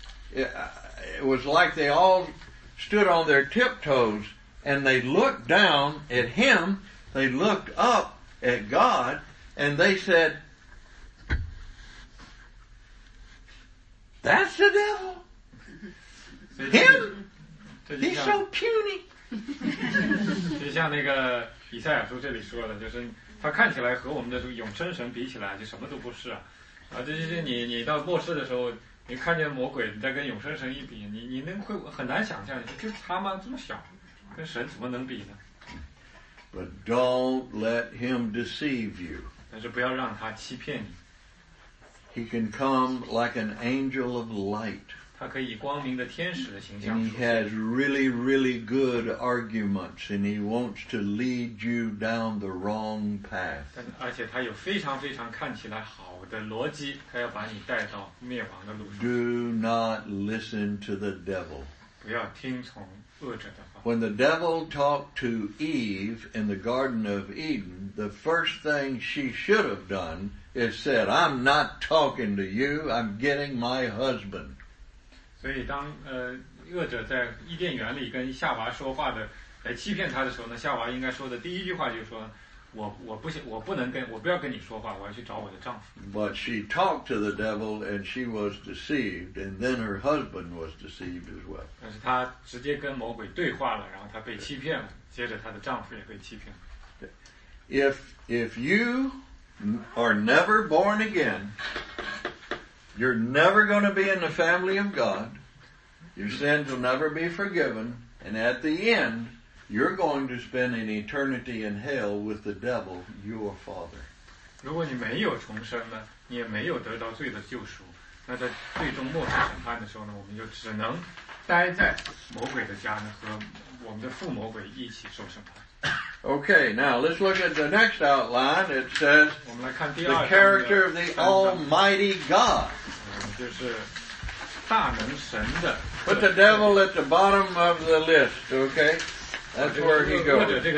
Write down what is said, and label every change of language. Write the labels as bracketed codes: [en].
[en] It was like they all stood on their tiptoes, and they looked down at him, they looked up at God, and they said, that's the devil. Him? He's so puny. [zh] 就像那个以赛亚书这里说的，就是他看起来和我们的永生神比起来就什么都不是啊。就是你到末世的时候，你看见魔鬼，你再跟永生神一比，你能会很难想象，就他妈这么小。跟神怎么能比呢？ [en] But don't let him deceive you. [zh] 但是不要让他欺骗你。 [en] He can come like an angel of light. [zh] 他可以光明的天使的形象。 [en] And he has really, really good arguments, and he wants to lead you down the wrong path. [zh] 而且他有非常非常看起来好的逻辑，他要把你带到灭亡的路上。 [en] Do not listen to the devil. [zh] 不要听从恶者的。 [en] When the devil talked to Eve in the Garden of Eden, the first thing she should have done is said, I'm not talking to you, I'm getting my husband. [zh] 所以当恶者在伊甸园里跟夏娃说话的来欺骗他的时候呢，夏娃应该说的第一句话就是说，我不要跟你说话，我要去找我的丈夫。 [en] But she talked to the devil and she was deceived, and then her husband was deceived as well. [zh] 但是她直接跟魔鬼对话了，然后她被欺骗了，接着她的丈夫也被欺骗了。 [en] If you are never born again, you're never going to be in the family of God. Your sins will never be forgiven, and at the end, you're going to spend an eternity in hell with the devil, your father. [zh] 如果你没有重生呢，你也没有得到罪的救赎，那在最终末世审判的时候呢，我们就只能待在魔鬼的家呢，和我们的父魔鬼一起受审判。 [en] Okay, now let's look at the next outline. It says, the character of the Almighty God. Put the devil at the bottom of the list, okay? That's where he goes.